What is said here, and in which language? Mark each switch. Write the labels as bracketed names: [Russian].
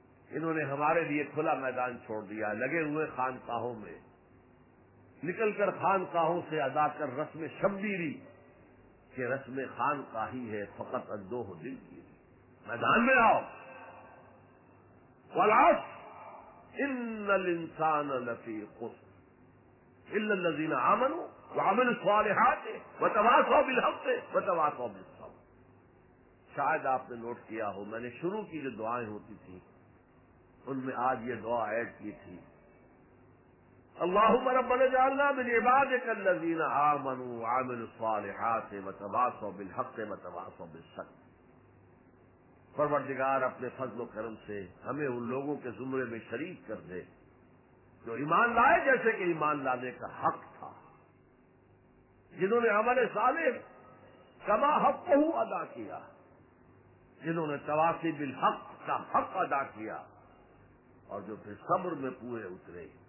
[Urdu] انہوں نے ہمارے لیے کھلا میدان چھوڑ دیا، لگے ہوئے خانقاہوں میں، نکل کر خانقاہوں سے ادا کر رسم شبیری کہ رسم خان کا ہی ہے فقط اندو ہو دل کی میدان میں آؤ. [Arabic] والعصر ان الانسان لفی خسر الا الذین آمنوا وعملوا الصالحات وتواصوا بالحق وتواصوا بالصبر. [Urdu] شاید آپ نے نوٹ کیا ہو میں نے شروع کی جو دعائیں ہوتی تھیں ان میں آج یہ دعا ایڈ کی تھی. [Arabic] اللہم ربنا اجعلنا من عبادک الذین آمنوا وعملوا الصالحات وتواصوا بالحق وتواصوا بالصبر. [Urdu] پروردگار اپنے فضل و کرم سے ہمیں ان لوگوں کے زمرے میں شریک کر دے جو ایمان لائے جیسے کہ ایمان لانے کا حق تھا, جنہوں نے عمل صالح کما حقہ ادا کیا, جنہوں نے تواصی بالحق کا حق ادا کیا, اور جو پھر صبر میں پورے اترے.